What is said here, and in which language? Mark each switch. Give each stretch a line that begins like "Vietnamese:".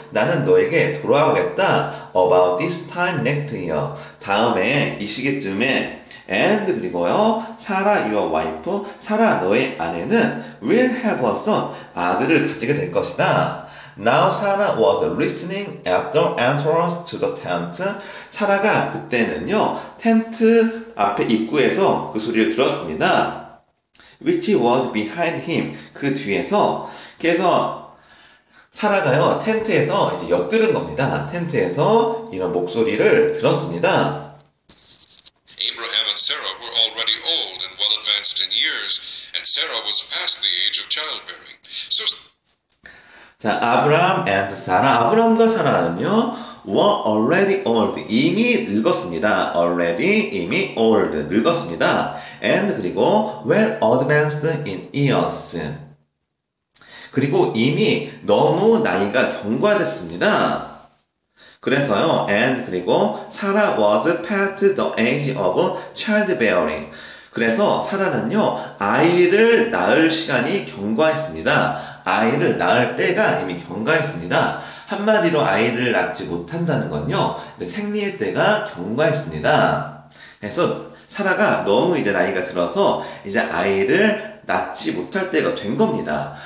Korean: 나는 너에게 돌아오겠다.
English: About this time next year.
Korean: 다음에 이 시기쯤에.
English: And
Korean: 그리고요.
English: Sarah, your wife. Sarah,
Korean: 너의 아내는
English: will have a son.
Korean: 아들을 가지게 될 것이다.
English: Now Sarah was listening at the entrance to the tent.
Korean: 사라가 그때는요. 텐트 앞에 입구에서 그 소리를 들었습니다.
English: Which was behind him.
Korean: 그 뒤에서. 그래서 사라가요, 텐트에서 이제 엿들은 겁니다. 텐트에서 이런 목소리를 들었습니다.
English: Abraham and Sarah were already old and well advanced in years, and Sarah was past the age of childbearing. So
Korean: 자, 아브라함 and 사라. 아브라함과 사라는요,
English: were already old.
Korean: 이미 늙었습니다. Already, 이미 old. 늙었습니다.
English: And 그리고 well advanced in years.
Korean: 그리고 이미 너무 나이가 경과됐습니다. 그래서요,
English: and 그리고 Sarah was past the age of childbearing.
Korean: 그래서 사라는요, 아이를 낳을 시간이 경과했습니다. 아이를 낳을 때가 이미 경과했습니다. 한마디로 아이를 낳지 못한다는 건요, 생리의 때가 경과했습니다. 해서 사라가 너무 이제 나이가 들어서 이제 아이를 낳지 못할 때가 된 겁니다.